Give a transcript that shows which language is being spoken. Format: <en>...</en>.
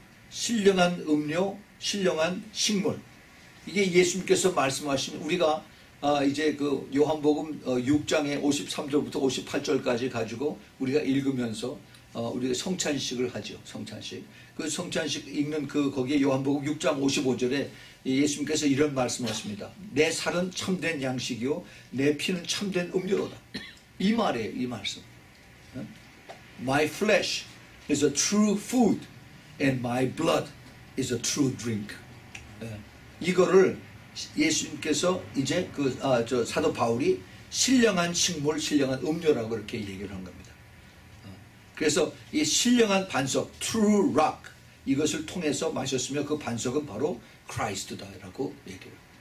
<ko>신령한 음료, 신령한 식물. 이게 예수님께서 말씀하신 우리가 이제 그 요한복음 6장의 53절부터 58절까지 가지고 우리가 읽으면서 우리가 성찬식을 하죠. 성찬식. 그 성찬식 읽는 그 거기에 요한복음 6장 55절에 예수님께서 이런 말씀하십니다. 내 살은 참된 양식이요 내 피는 참된 음료로다. 이 말이에요. 이 말씀.</ko> <en>My flesh is a true food and my blood is a true drink.</en> <ko>이거를 예수님께서 이제 사도 바울이 신령한 식물, 신령한 음료라고 이렇게 얘기를 한 겁니다. 그래서 이 신령한 반석,</ko> <en>true rock,</en> <ko>이것을 통해서 마셨으며 그 반석은 바로 Christ다라고 얘기해요.</ko>